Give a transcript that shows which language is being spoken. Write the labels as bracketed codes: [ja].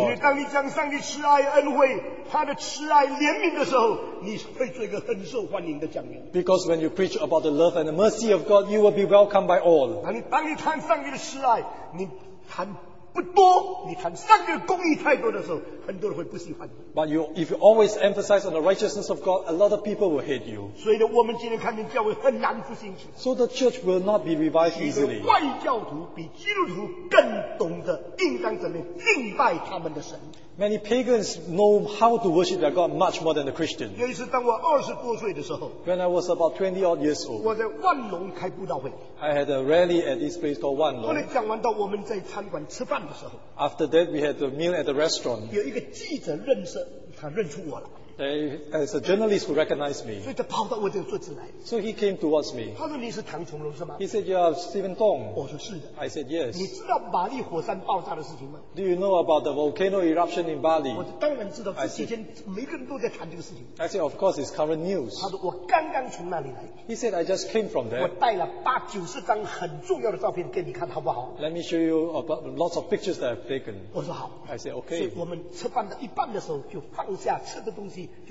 [zh] 因为当你讲上帝慈爱恩惠，他的慈爱怜悯的时候，你会做一个很受欢迎的讲员。 [en] Because when you preach about the love and the mercy of God, you will be welcomed by all. [zh] 当你谈上帝的慈爱，你谈不多，你谈上帝的公义太多的时候，很多人会不喜欢你。 [en] But you, if you always emphasize on the righteousness of God, a lot of people will hate you. [zh] 所以呢，我们今天看见教会很难复兴起。 [en] So the church will not be revived easily. [zh] 许多外教徒比基督徒更懂得应当怎么敬拜他们的神。 [en] Many pagans know how to worship their God much more than the Christian. [zh] 有一次，当我二十多岁的时候， [en] When I was about 20 odd years old, [zh] 我在万隆开布道会。 [en] I had a rally at this place called 万隆。 [zh] 后来讲完到我们在餐馆吃饭的时候， [en] After that, we had a meal at the restaurant. [zh] 有一个记者认识，他认出我了。 [en] As a journalist who recognized me. [zh] 所以他跑到我这里坐下来, [en] so he came towards me. [zh] 他说你是唐琼龙是吗? [en] He said, you are Stephen Tong. [zh] 我说是的。 [en] I said, yes. [zh] 你知道玛丽火山爆炸的事情吗? [en] Do you know about the volcano eruption in Bali? [zh] 我当然知道,这几天每个人都在谈这个事情。 [en] I said, of course, it's current news. [zh] 他说我刚刚从那里来。 [en] He said, I just came from there. [zh] 我带了八九十张很重要的照片给你看好不好? [en] Let me show you about lots of pictures that I've taken. [zh] 我说好。 [en] I said, okay. [zh] 所以我们吃饭的一半的时候就放下吃的东西。